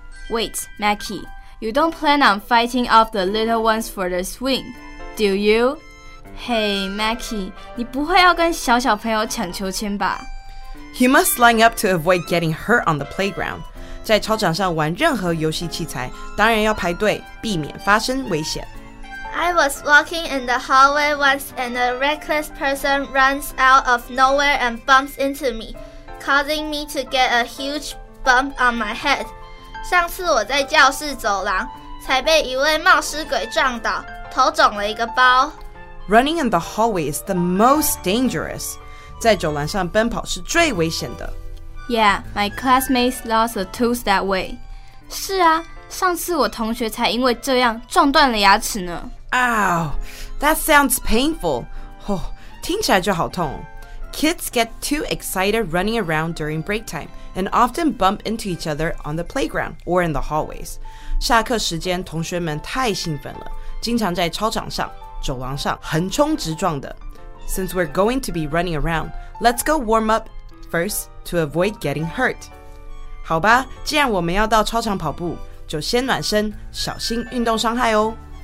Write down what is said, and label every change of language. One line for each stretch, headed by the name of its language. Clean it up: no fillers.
English: Wait, Mackie, you don't plan on fighting off the little ones for the swing, do you?
Chinese: Hey, Mackie, 你不会要跟小小朋友抢秋千吧
English: ？You must line up to avoid getting hurt on the playground.
Chinese: 在操场上玩任何游戏器材，当然要排队，避免发生危险。
English: I was walking in the hallway once and a reckless person runs out of nowhere and bumps into me, causing me to get a huge bump on my head.
Chinese: 上次我在教室走廊，才被一位冒失鬼撞倒，头肿了一个包。
English: Running in the hallway is the most dangerous.
Chinese: 在走廊上奔跑是最危险的。
English: Yeah, my classmates lost a tooth that way.
Chinese: 是啊，上次我同学才因为这样撞断了牙齿呢。
English: Ow, that sounds painful. Oh,
Chinese: 听起来就好痛。
English: Kids get too excited running around during break time and often bump into each other on the playground or in the hallways.
Chinese: 下课时间同学们太兴奋了，经常在操场上、走廊上横冲直撞的。
English: Since we're going to be running around, let's go warm up. First, to avoid getting hurt.
Chinese: 好吧，既然我们要到操场跑步，就先暖身，小心运动伤害哦。